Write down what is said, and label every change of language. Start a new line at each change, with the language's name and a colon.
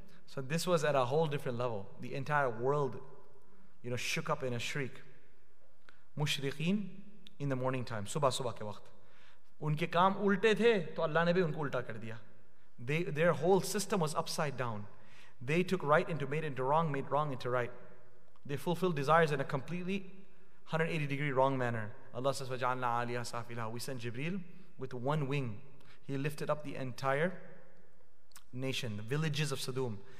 English: So this was at a whole different level. The entire world, you know, shook up in a shriek. Mushriqeen in the morning time,
Urdu: صبح صبح کے وقت. انکے کام الٹے تھے، تو اللہ نے بھی انکو الٹا کر دیا.
English: Their whole system was upside down. They took right into made into wrong, made wrong into right. They fulfilled desires in a completely 180 degree wrong manner. Allah says,
Arabic: وَجَعَلْنَا عَلِيَا سَافِلَهَا.
English: We sent Jibreel with one wing. He lifted up the entire nation, the villages of Sodom.